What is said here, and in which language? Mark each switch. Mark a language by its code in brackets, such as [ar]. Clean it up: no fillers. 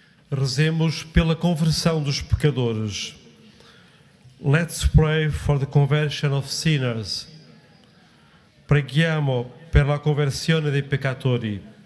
[pt] Rezemos pela conversão dos pecadores. [en] Let's pray for the conversion of sinners. [it] Preghiamo per la conversione dei peccatori.